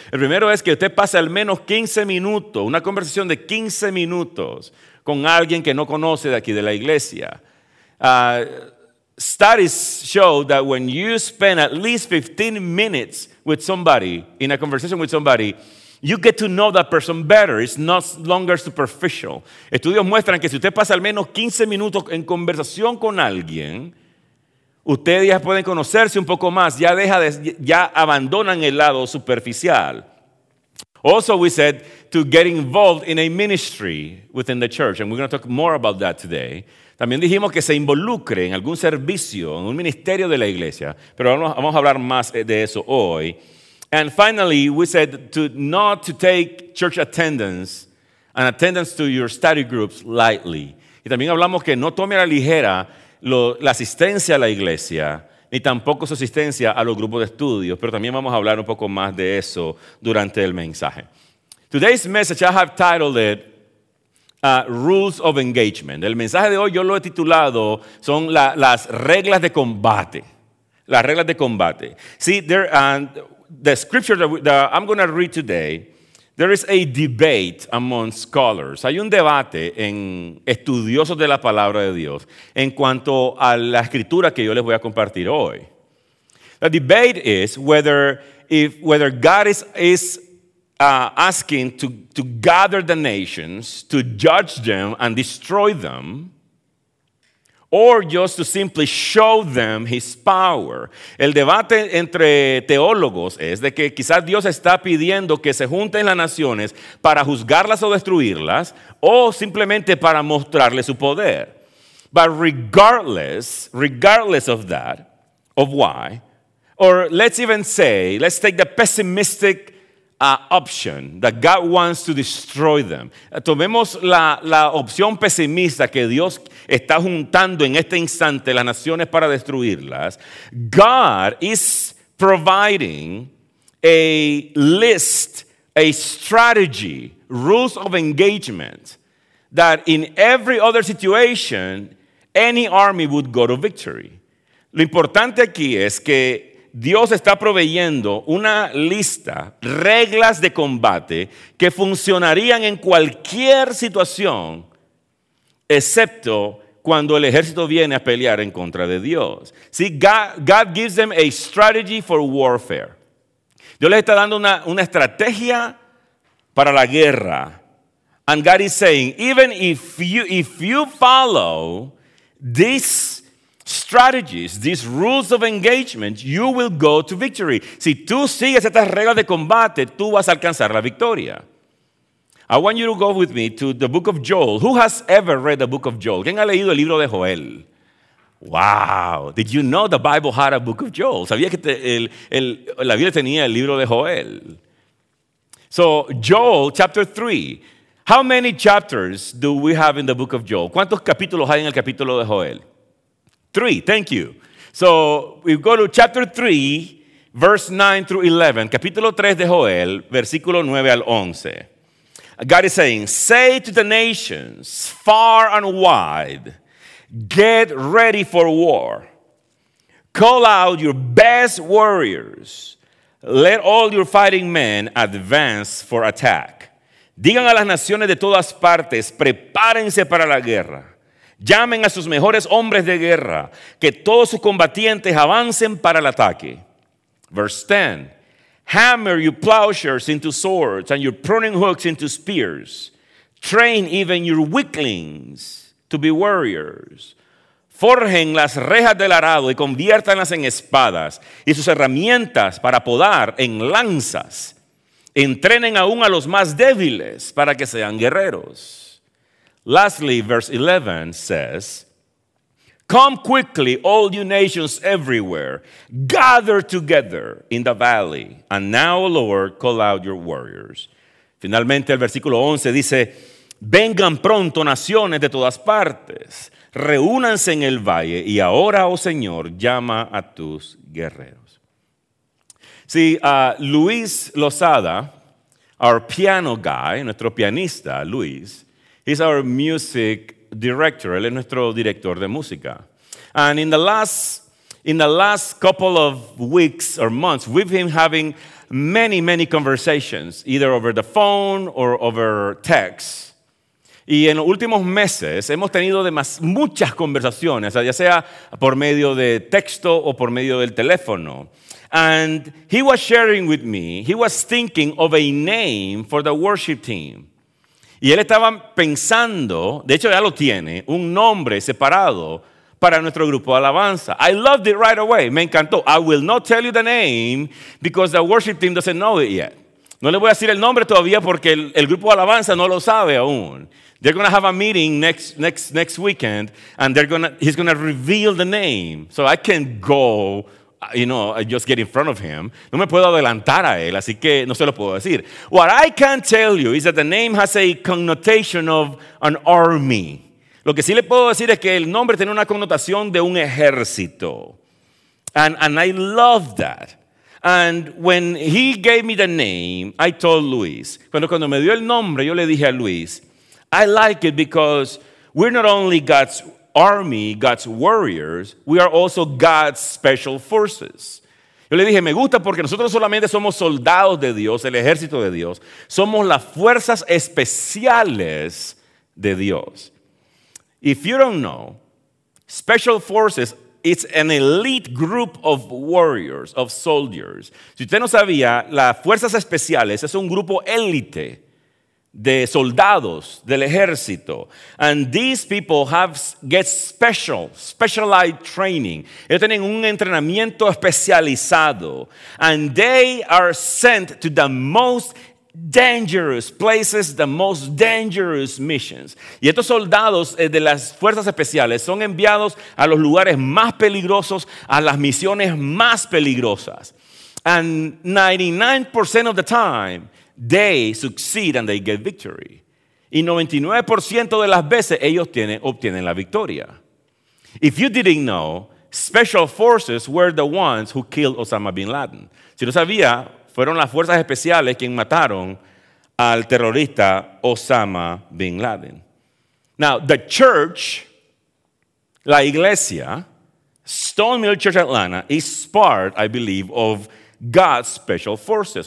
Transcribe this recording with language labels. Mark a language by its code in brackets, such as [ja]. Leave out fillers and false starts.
[es] El primero es que usted pase al menos 15 minutos, una conversación de 15 minutos con alguien que no conoce de aquí de la iglesia. [en] Studies show that when you spend at least 15 minutes with somebody, in a conversation with somebody, you get to know that person better. It's no longer superficial. [es] Estudios muestran que si usted pasa al menos 15 minutos en conversación con alguien, ustedes ya pueden conocerse un poco más, ya abandonan el lado superficial. [en] Also, we said to get involved in a ministry within the church, and we're going to talk more about that today. [es] También dijimos que se involucre en algún servicio, en un ministerio de la iglesia, pero vamos a hablar más de eso hoy. [en] And finally, we said not to take church attendance and attendance to your study groups lightly. [es] Y también hablamos que no tome a la ligera la asistencia a la iglesia, ni tampoco su asistencia a los grupos de estudios, pero también vamos a hablar un poco más de eso durante el mensaje. [en] Today's message, I have titled it Rules of Engagement. [es] El mensaje de hoy yo lo he titulado, son las reglas de combate. Las reglas de combate. [en] See, the scripture that I'm going to read today, there is a debate among scholars. [es] Hay un debate en estudiosos de la palabra de Dios en cuanto a la escritura que yo les voy a compartir hoy. [en] The debate is whether God is asking to gather the nations, to judge them and destroy them, or just to simply show them his power. [es] El debate entre teólogos es de que quizás Dios está pidiendo que se junten las naciones para juzgarlas o destruirlas, o simplemente para mostrarle su poder. [en] But regardless of that, of why, or let's even say, let's take the pessimistic option that God wants to destroy them. [es] Tomemos la opción pesimista que Dios está juntando en este instante las naciones para destruirlas. [en] God is providing a list, a strategy, rules of engagement that in every other situation, any army would go to victory. [es] Lo importante aquí es que Dios está proveyendo una lista, reglas de combate que funcionarían en cualquier situación, excepto cuando el ejército viene a pelear en contra de Dios. [en] See, God gives them a strategy for warfare. [es] Dios les está dando una estrategia para la guerra. [en] And God is saying, even if you follow this strategies, these rules of engagement, you will go to victory. [es] Si tú sigues estas reglas de combate, tú vas a alcanzar la victoria. [en] I want you to go with me to the book of Joel. Who has ever read the book of Joel? [es] ¿Quién ha leído el libro de Joel? Wow. [en] Did you know the Bible had a book of Joel? [es] ¿Sabías que la Biblia tenía el libro de Joel? [en] So, Joel chapter 3. How many chapters do we have in the book of Joel? [es] ¿Cuántos capítulos hay en el capítulo de Joel? [en] 3, thank you. So, we go to chapter 3, verse 9 through 11. [es] Capítulo 3 de Joel, versículo 9 al 11. [en] God is saying, say to the nations far and wide, get ready for war. Call out your best warriors. Let all your fighting men advance for attack. [es] Digan a las naciones de todas partes, prepárense para la guerra. Llamen a sus mejores hombres de guerra, que todos sus combatientes avancen para el ataque. [en] Verse 10. Hammer your plowshares into swords and your pruning hooks into spears. Train even your weaklings to be warriors. [es] Forjen las rejas del arado y conviértanlas en espadas y sus herramientas para podar en lanzas. Entrenen aún a los más débiles para que sean guerreros. [en] Lastly, verse 11 says, Come quickly, all you nations everywhere. Gather together in the valley. And now, Lord, call out your warriors. [es] Finalmente, el versículo 11 dice, vengan pronto naciones de todas partes. Reúnanse en el valle y ahora, oh Señor, llama a tus guerreros. Si Luis Lozada, [en] our piano guy, [es] nuestro pianista Luis, [en] he's our music director, [es] él es nuestro director de música. [en] And in the last couple of weeks or months, we've been having many, many conversations, either over the phone or over text. [es] Y en los últimos meses hemos tenido muchas conversaciones, ya sea por medio de texto o por medio del teléfono. [en] And he was sharing with me, he was thinking of a name for the worship team. [es] Y él estaba pensando, de hecho ya lo tiene, un nombre separado para nuestro grupo de alabanza. [en] I loved it right away, [es] me encantó. [en] I will not tell you the name because the worship team doesn't know it yet. [es] No le voy a decir el nombre todavía porque el grupo de alabanza no lo sabe aún. [en] They're going to have a meeting next weekend, and he's going to reveal the name. So I can't go, you know, just get in front of him. [es] No me puedo adelantar a él, así que no se lo puedo decir. [en] What I can tell you is that the name has a connotation of an army. [es] Lo que sí le puedo decir es que el nombre tiene una connotación de un ejército. [en] And I love that. And when he gave me the name, I told Luis. [es] Cuando me dio el nombre, yo le dije a Luis, [en] I like it because we're not only God's army, God's warriors, we are also God's special forces. [es] Yo le dije, me gusta porque nosotros solamente somos soldados de Dios, el ejército de Dios. Somos las fuerzas especiales de Dios. [en] If you don't know, special forces, it's an elite group of warriors, of soldiers. [es] Si usted no sabía, las fuerzas especiales es un grupo élite de soldados del ejército, [en] and these people get specialized training. [es] Ellos tienen un entrenamiento especializado, [en] and they are sent to the most dangerous places, the most dangerous missions. [es] Y estos soldados de las fuerzas especiales son enviados a los lugares más peligrosos, a las misiones más peligrosas, [en] and 99% of the time they succeed and they get victory. [es] Y 99% de las veces ellos obtienen la victoria. [en] If you didn't know, special forces were the ones who killed Osama bin Laden. [es] Si no sabía, fueron las fuerzas especiales quien mataron al terrorista Osama bin Laden. [en] Now, the church, [es] la iglesia, [en] Stone Mill Church Atlanta, is part, I believe, of God's special forces.